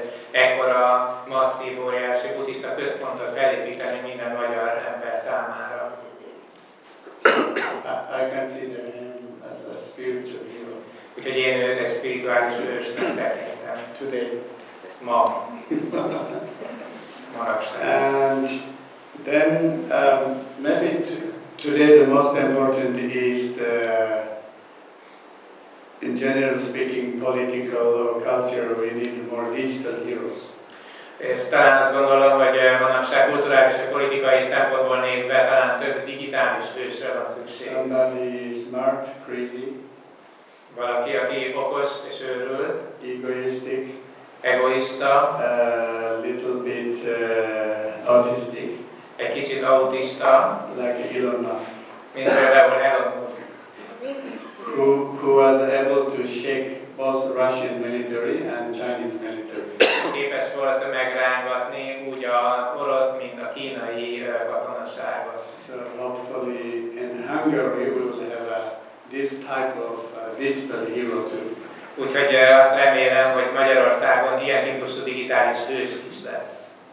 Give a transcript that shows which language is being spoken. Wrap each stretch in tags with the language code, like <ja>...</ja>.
<hu>ekkora masszív óriási buddhista központot felépíteni minden magyar ember számára.</hu> <en>I consider him as a spiritual hero.</en> <hu>Úgyhogy én őt egy spirituális ősnek tekintem.</hu> <en>Today.</en> <hu>Ma.</hu> <en>And then maybe today the most important is the, in general speaking, political or cultural, we need more digital heroes.</en> <hu>És talán azt gondolom, hogy manapság kulturális és politikai szempontból nézve talán több digitális hősre van szükség.</hu> <en>Somebody smart, crazy.</en> <hu>Valaki, aki okos és őrült.</hu> <en>Egoistic.</en> <hu>Egoista.</hu> <en>Little bit autistic.</en> <hu>Egy kicsit autista.</hu> <en>Like Elon Musk.</en> <hu>Mint például Elon Musk.</hu> <en>Who was able to shake both Russian military and Chinese military.</en> <hu>Képes volt megrángatni úgy az orosz, mint a kínai katonaságot.</hu> <en>So hopefully in Hungary we will have this type of digital hero too.</en> <hu>Úgyhogy azt remélem, hogy Magyarországon ilyen típusú digitális hős is lesz.</hu>